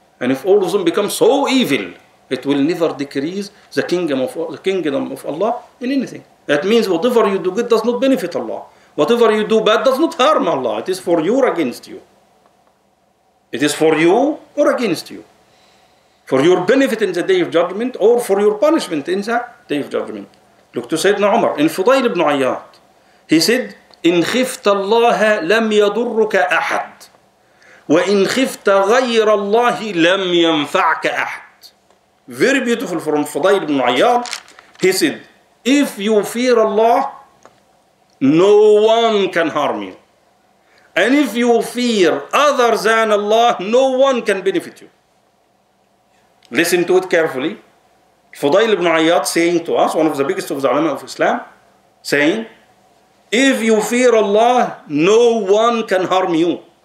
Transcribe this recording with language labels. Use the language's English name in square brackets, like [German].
[English] And if all of them become so evil, it will never decrease the kingdom of Allah in anything. That means whatever you do good does not benefit Allah. Whatever you do bad does not harm Allah. It is for you or against you. It is for you or against you. For your benefit in the day of judgment or for your punishment in the day of judgment. Look to Sayyidina Umar. In Fudayl ibn Ayyad, he said, [Arabic] إن خفت الله لم يضرك أحد وإن خفت غير الله لم ينفعك أحد. [English] Very beautiful from Fudayl ibn Ayyad. He said, if you fear Allah, no one can harm you. And if you fear other than Allah, no one can benefit you. Listen to it carefully. Fudayl ibn Ayyad saying to us, one of the biggest of the ulama of Islam, saying, if you fear Allah, no one can harm you.